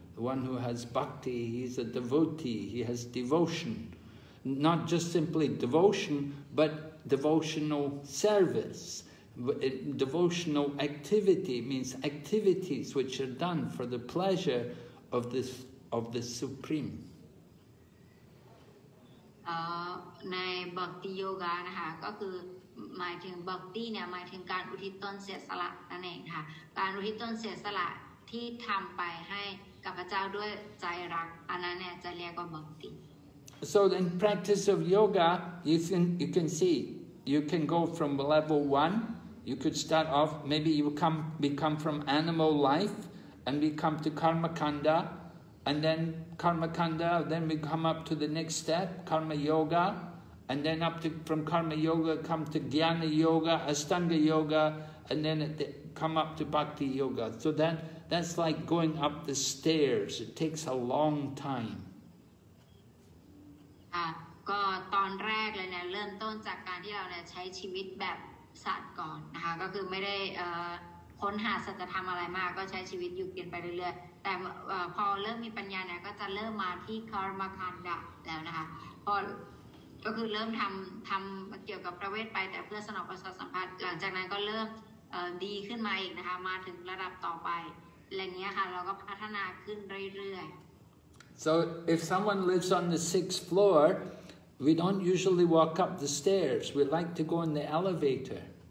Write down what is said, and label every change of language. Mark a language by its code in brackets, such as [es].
[en] The one who has bhakti, he's a devotee, he has devotion. Not just simply devotion, but devotional service. Devotional activity means activities which are done for the pleasure of the Supreme. [th] ในบัคติโยกานะคะก็คือหมายถึงบัคติเนี่ยหมายถึงการอุทิศตนเสียสละนั่นเองค่ะการอุทิศตนเสียสละที่ทำไปให้กับพระเจ้าด้วยใจรักอันนั้นเนี่ยจะเรียกว่าบัคติ [en] So in practice of yoga you can see you can go from level 1 you could start off maybe you become from animal life and become to karmakanda and then karmakanda then we come up to the next step karma yoga and then up to from karma yoga come to jnana yoga astanga yoga and then come up to bhakti yoga so that's like going up the stairs it takes a long time [th] ก็ตอนแรกเลยเนี่ยเริ่มต้นจากการที่เราเนี่ยใช้ชีวิตแบบสัตว์ก่อนนะคะก็คือไม่ได้ค้นหาสัจธรรมอะไรมากก็ใช้ชีวิตอยู่เกินไปเรื่อยๆแต่พอเริ่มมีปัญญาเนี่ยก็จะเริ่มมาที่คารมคันดะแล้วนะคะพอก็คือเริ่มทำเกี่ยวกับประเวทไปแต่เพื่อสนองประสาทสัมผัสหลังจากนั้นก็เริ่มดีขึ้นมาอีกนะคะมาถึงระดับต่อไปอะไรเงี้ยค่ะเราก็พัฒนาขึ้นเรื่อยๆ [en] So if someone lives on the sixth floor, we don't usually walk up the stairs. We like to go in the elevator.